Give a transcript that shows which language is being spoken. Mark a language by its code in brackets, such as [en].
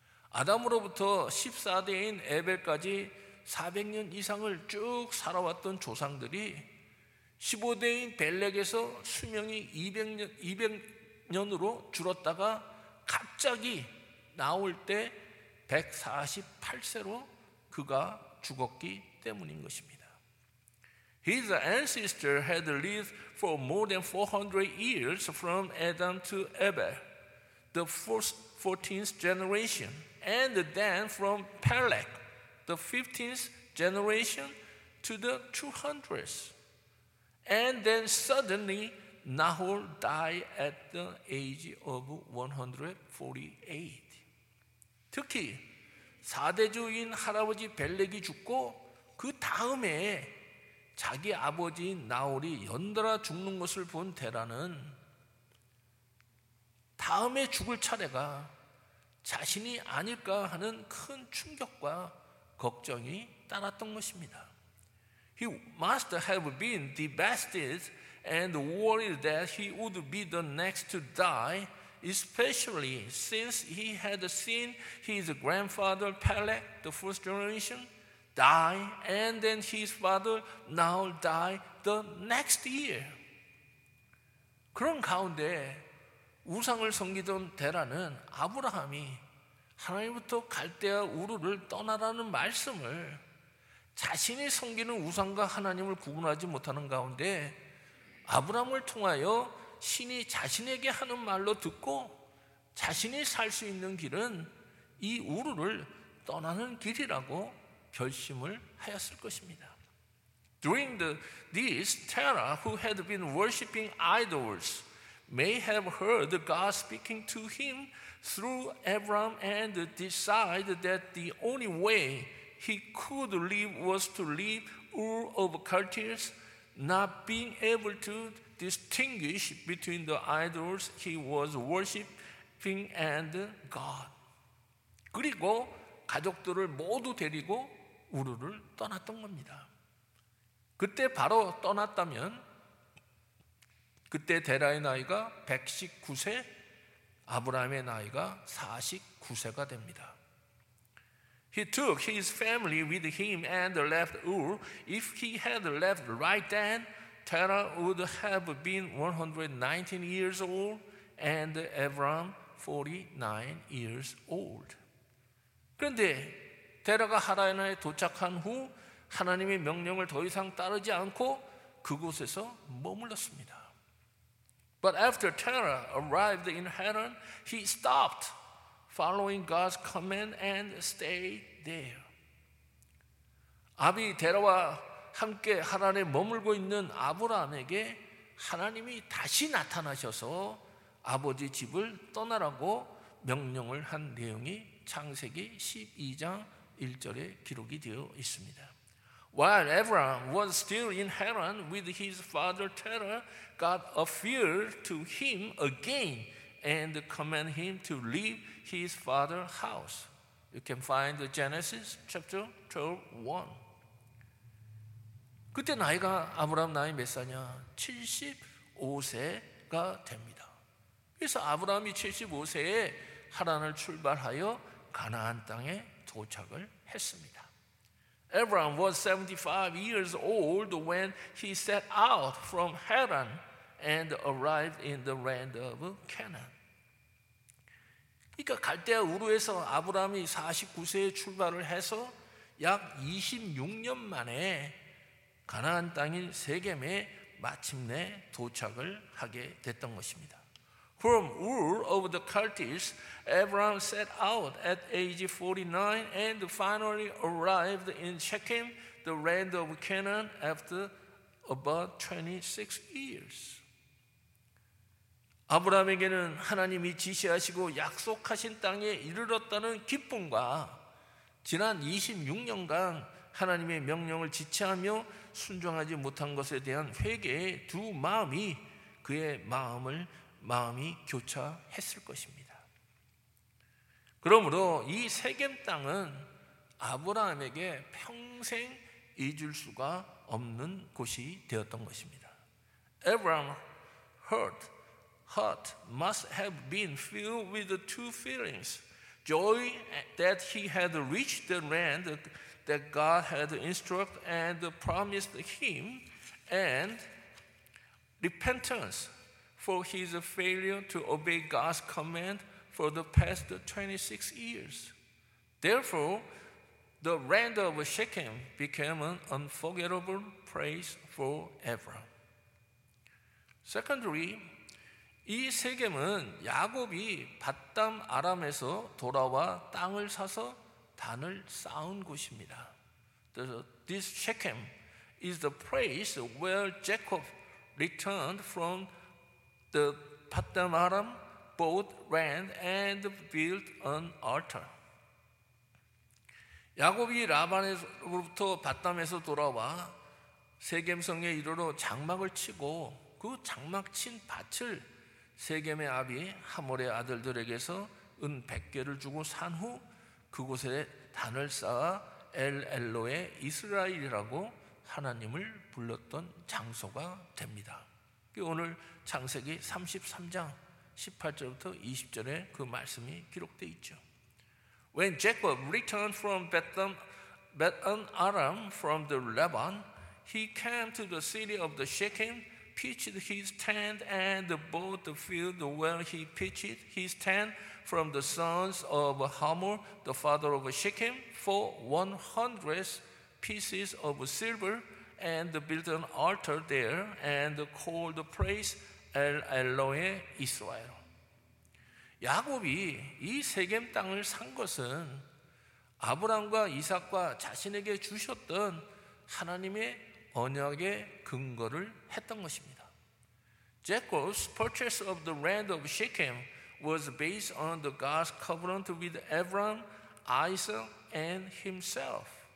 [ko] 아담으로부터 14대인 에벨까지 400년 이상을 쭉 살아왔던 조상들이 15대인 벨렉에서 수명이 200년으로 줄었다가 갑자기 나올 때 148세로 그가 죽었기 때문인 것입니다. [en] His ancestor had lived for more than 400 years from Adam to Abel, the first 14th generation, and then from Peleg, the 15th generation, to the 200th. And then suddenly, Nahor died at the age of 148. [ko] 특히 4대주인 할아버지 벨렉이 죽고 그 다음에 자기 아버지인 나홀이 연달아 죽는 것을 본 데라는 다음에 죽을 차례가 자신이 아닐까 하는 큰 충격과 걱정이 따랐던 것입니다. [en] He must have been devastated and worried that he would be the next to die, especially since he had seen his grandfather Peleg, the first generation, die, and then his father now die the next year. [ko] 그런 가운데 우상을 섬기던 데라는 아브라함이 하나님부터 갈대아 우르를 떠나라는 말씀을 자신이 섬기는 우상과 하나님을 구분하지 못하는 가운데 아브라함을 통하여 신이 자신에게 하는 말로 듣고 자신이 살 수 있는 길은 이 우르를 떠나는 길이라고 결심을 하였을 것입니다. [en] During this, Terah, who had been worshipping idols, may have heard God speaking to him through Abraham and decided that the only way he could leave was to leave Ur of Chaldeans, not being able to distinguish between the idols he was worshipping and God. [ko] 그리고 가족들을 모두 데리고 우르를 떠났던 겁니다. 그때 바로 떠났다면 그때 데라의 나이가 119세, 아브라함의 나이가 49세가 됩니다. [en] He took his family with him and left Ur. If he had left right then, Terah would have been 119 years old and Abraham 49 years old. [ko] 그런데 데라가 하란에 도착한 후 하나님의 명령을 더 이상 따르지 않고 그곳에서 머물렀습니다. [en] But after Terah arrived in Haran, he stopped following God's command and stayed there. [ko] 아비 데라와 함께 하란에 머물고 있는 아브라함에게 하나님이 다시 나타나셔서 아버지 집을 떠나라고 명령을 한 내용이 창세기 12장 1절에 기록이 되어 있습니다. [en] While Abraham was still in Haran with his father Terah, God appeared to him again and commanded him to leave his father's house. You can find Genesis chapter 12:1. [ko] 그때 나이가 아브라함 나이 몇 사냐? 75세가 됩니다. 그래서 아브라함이 75세에 하란을 출발하여 가나안 땅에 도착을 했습니다. [en] Abraham was 75 years old when he set out from Haran and arrived in the land of Canaan. [ko] 그러니까 갈대아 우르에서 아브라함이 49세에 출발을 해서 약 26년 만에 가나안 땅인 세겜에 마침내 도착을 하게 됐던 것입니다. [en] From Ur of the Chaldees, Abraham set out at age 49 and finally arrived in Shechem, the land of Canaan, after about 26 years. [ko] 아브라함에게는 하나님이 지시하시고 약속하신 땅에 이르렀다는 기쁨과 지난 26년간 하나님의 명령을 지체하며 순종하지 못한 것에 대한 회개의 두 마음이 그의 마음이 교차했을 것입니다. 그러므로 이 세겜 땅은 아브라함에게 평생 잊을 수가 없는 곳이 되었던 것입니다. [en] Abraham heard heart must have been filled with two feelings. Joy that he had reached the land that God had instructed and promised him, and repentance for his failure to obey God's command for the past 26 years. Therefore, the land of Shechem became an unforgettable place for Abraham. Secondly, [ko] 이 세겜은 야곱이 밧담 아람에서 돌아와 땅을 사서 단을 쌓은 곳입니다. [en] This Shechem is the place where Jacob returned from the Padam Aram, bought land and built an altar. [ko] 야곱이 라반에서부터 밧담에서 돌아와 세겜성에 이르러 장막을 치고 그 장막 친 밭을 세겜의 아비 하몰의 아들들에게서 은 100개를 주고 산 후 그곳에 단을 쌓아 엘 엘로의 이스라엘이라고 하나님을 불렀던 장소가 됩니다. 오늘 창세기 33장 18절부터 20절에 그 말씀이 기록되어 있죠. [en] When Jacob returned from Bethan Aram from the Laban, he came to the city of the Shechem, pitched his tent and bought the field where he pitched his tent from the sons of Hamor, the father of Shechem, for 100 pieces of silver, and built an altar there and called the place El Eloi Israel. [ko] 야곱이 이 세겜 땅을 산 것은 아브라함과 이삭과 자신에게 주셨던 하나님의 언약의 근거를 했던 것입니다. [en] Jacob's purchase of the land of Shechem was based on the God's covenant with Abraham, Isaac, and himself.